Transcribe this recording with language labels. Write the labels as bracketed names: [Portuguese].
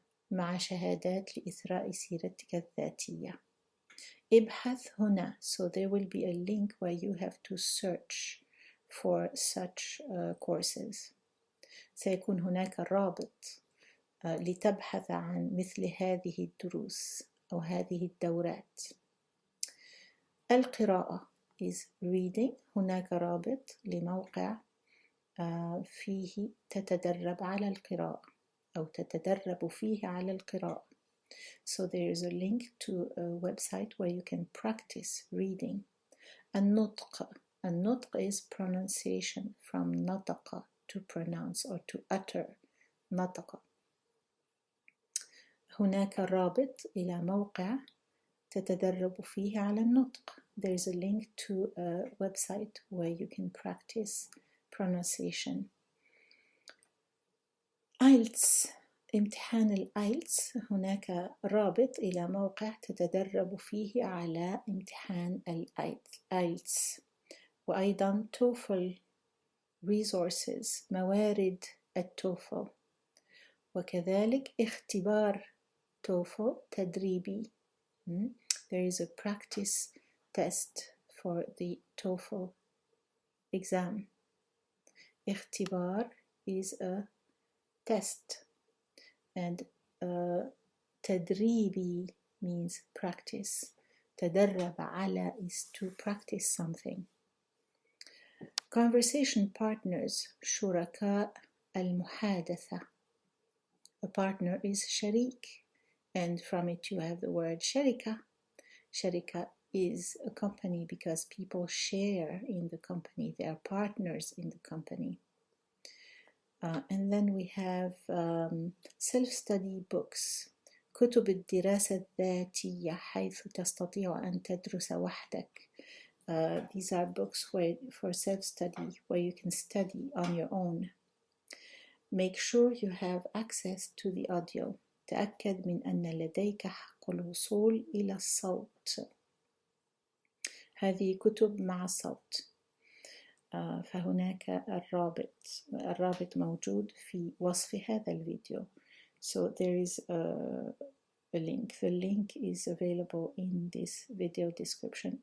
[Arabic] مع شهادات لإثراء سيرتك الذاتية. ابحث هنا. [English] So there will be a link where you have to search for such courses. [Arabic] سيكون هناك رابط. لتبحث عن مثل هذه الدروس أو هذه الدورات. القراءة [English] is reading. [Arabic] هناك رابط لموقع فيه تتدرب على القراءة أو تتدرب فيه على القراءة. [English] So there is a link to a website where you can practice reading. [Arabic] النطق. النطق [English] is pronunciation, from نطق to pronounce or to utter. نطق. [Arabic] هناك رابط إلى موقع تتدرب فيه على النطق. [English] There is a link to a website where you can practice pronunciation. [Arabic] IELTS. امتحان الIELTS. هناك رابط إلى موقع تتدرب فيه على امتحان الIELTS. وأيضا [English] TOEFL resources. [Arabic] موارد التوفل. وكذلك اختبار TOEFL تدريبي. [English] There is a practice test for the TOEFL exam. [Arabic] اختبار [English] is a test. And [Arabic] تدريبي [English] means practice. [Arabic] تدرب على [English] is to practice something. Conversation partners, [Arabic] شركاء المحادثة. [English] A partner is [Arabic] شريك. [English] And from it you have the word [Arabic] شركة. شركة [English] is a company because people share in the company. They are partners in the company. And then we have self-study books. [Arabic] كتب الدراسة الذاتية حيث تستطيع أن تدرس وحدك. [English] These are books for self-study where you can study on your own. Make sure you have access to the audio. [Arabic] تأكد من أن لديك حق الوصول إلى الصوت. هذه كتب مع صوت. فهناك الرابط. الرابط موجود في وصف هذا الفيديو. [English] So there is a link. The link is available in this video description.